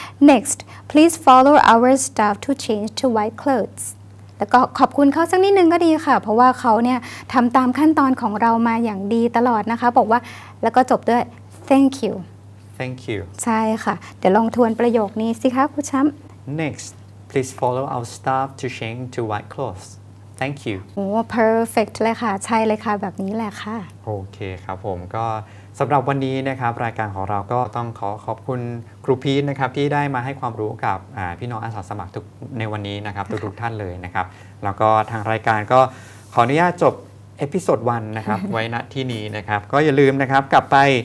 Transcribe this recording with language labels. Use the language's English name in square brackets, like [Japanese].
[English] next please follow our staff to change to white clothes [Thai] แล้วก็ขอบคุณเขาสักนิดนึงก็ดีค่ะเพราะว่าเขาเนี่ยทำตามขั้นตอนของเรามาอย่างดีตลอดนะคะบอกว่าแล้วก็จบด้วย thank you ใช่ค่ะเดี๋ยวลองทวนประโยคนี้สิคะครูช้ำ [English] next please follow our staff to change to white clothesThank you [Thai] โอ้ perfect เลยค่ะใช่เลยค่ะแบบนี้แหละค่ะ โอเคครับผมก็สำหรับวันนี้นะครับรายการของเราก็ต้องขอบคุณครูพีทนะครับที่ได้มาให้ความรู้กับพี่น้องอาสาสมัครทุกในวันนี้นะครับ ทุกท่านเลยนะครับแล้วก็ทางรายการก็ขออนุญาตจบเอพิโซด1นะครับ ไว้ณที่นี้นะครับก็อย่าลืมนะครับกลับไป